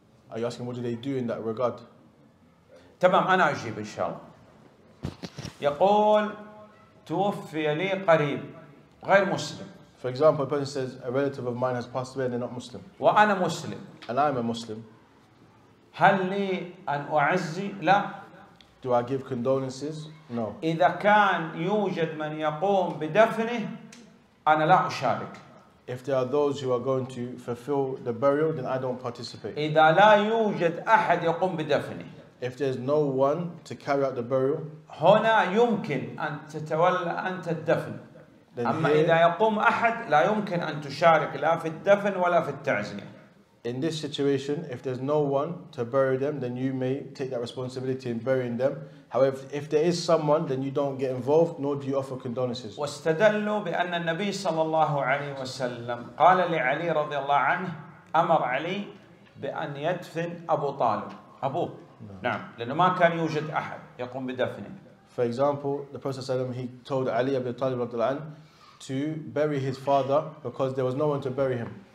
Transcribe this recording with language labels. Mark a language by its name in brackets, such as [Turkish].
[English] Are you asking what do they do in that regard? [Arabic] تمام أنا أجيب إن شاء الله. يقول توفي لي قريب غير مسلم. [English] For example, a person says a relative of mine has passed away and they're not Muslim. [Arabic] وأنا مسلم. [English] And I'm a Muslim. [Arabic] هل لي أن أعزي؟ لا. [English] Do I give condolences? No. [Arabic] إذا كان يوجد من يقوم بدفنه أنا لا أشارك. [English] If there are those who are going to fulfill the burial, then I don't participate. [Arabic] إذا لا يوجد أحد يقوم بدفنه. [English] If there's no one to carry out the burial. [Arabic] هنا يمكن أن تتولى أنت الدفن. أما إذا يقوم أحد لا يمكن أن تشارك لا في الدفن ولا في التعزية. [English] in this situation, if there's no one to bury them, then you may take that responsibility in burying them. However, if there is someone, then you don't get involved, nor do you offer condolences. [Arabic] واستدلوا بأن النبي صلى الله عليه وسلم قال لعلي رضي الله عنه أمر علي بأن يدفن أبو طالب أبوه. نعم. لأنه ما كان يوجد أحد يقوم بدفنه. [English] For example, the Prophet [Arabic] صلى الله عليه وسلم, [English] he told Ali Abi Talib [Arabic] رضي الله عنه [English] to bury his father because there was no one to bury him.